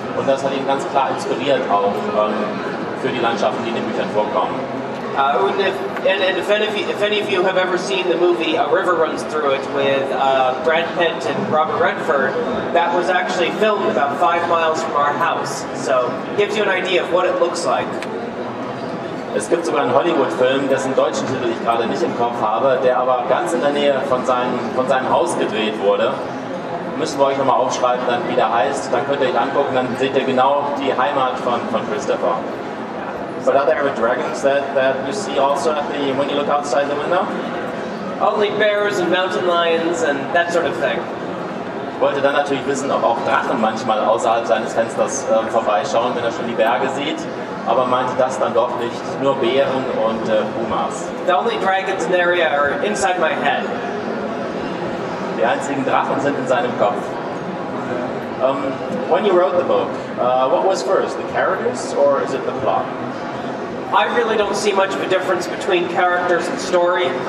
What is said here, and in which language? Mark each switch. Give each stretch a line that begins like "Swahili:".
German: Und das hat ihn ganz klar inspiriert auch für die Landschaften, die in den Büchern vorkommen.
English: And if any of you have ever seen the movie A River Runs Through It with Brad Pitt and Robert Redford, that was actually filmed about 5 miles from our house. So it gives you an idea of what it looks like.
German: Es gibt sogar einen Hollywood-Film, dessen deutschen Titel ich gerade nicht im Kopf habe, der aber ganz in der Nähe von seinem Haus gedreht wurde. Müssen wir euch nochmal aufschreiben, dann wie der heißt. Dann könnt ihr euch angucken, dann seht ihr genau die Heimat von Christopher.
English: But are there ever dragons that you see also when you look outside the window? Only bears and mountain lions and that sort of thing.
German: Ich wollte dann natürlich wissen, ob auch Drachen manchmal außerhalb seines Fensters vorbeischauen, wenn er schon die Berge sieht, aber meinte das dann doch nicht, nur Bären und Pumas.
English: The only dragons in the area are inside my head.
German: Die einzigen Drachen sind in seinem Kopf.
English: When you wrote the book, what was first, the characters or is it the plot? I really don't see much of a difference between characters and story.